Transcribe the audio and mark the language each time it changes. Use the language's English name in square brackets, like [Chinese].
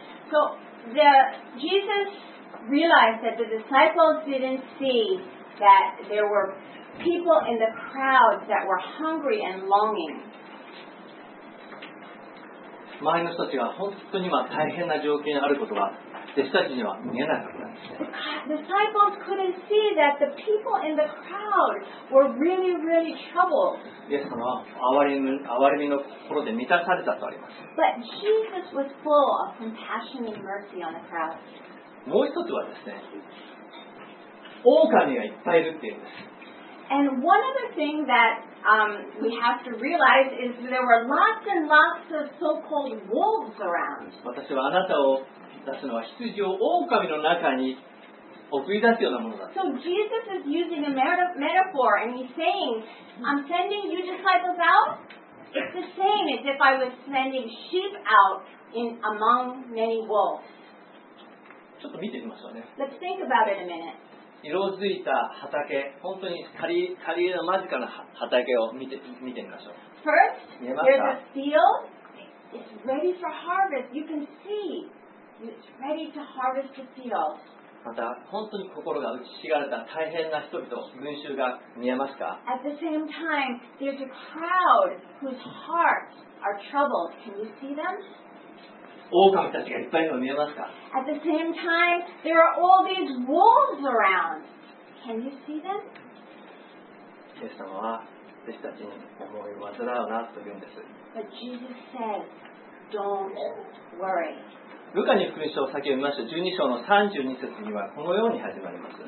[English] So the Jesus realized that the disciples didn't seeThat there were people in the crowd that were hungry and longing. [Japanese] 周りの人たちが本当に今大変な状況にあることが弟子たちには見えなかったんですね。 [English] The disciples couldn't see that the people in the crowd were really, really troubled. [Japanese] イエス様は憐れみの心で満たされたとあります。 [English] But Jesus was full of compassion and mercy on the crowd. [Japanese] もう一つはですね、狼がいっぱいいるっていうんです。 [English] And one other thing that we have to realize is there were lots and lots of so-called wolves around. [Japanese] 私はあなたを出すのは羊を狼の中に送り出すようなものだ。 [English] So Jesus is using a metaphor and he's saying, I'm sending you disciples out. It's the same as if I was sending sheep out in among many wolves. [Japanese] ちょっと見てみましょうね。 [English] Let's think about it a minute. [Japanese] 色づいた畑、本当に刈りの間近の畑を見てみましょう。 [English] First, there's a field. It's ready for harvest. You can see. It's ready to harvest the field. [Japanese] また、本当に心が打ちしがれた大変な人々、群衆が見えますか? [English] At the same time, there's a crowd whose hearts are troubled. Can you see them? [Japanese] 狼たちがいっぱいにも見えますか? [English] At the same time, there are all these wolves around. Can you see them? [Japanese] イエス様は弟子たちに思い煩うなと言うんです。 [English] But Jesus said, don't worry. [Japanese] ルカに福音書を先読みました。12章の32節にはこのように始まります。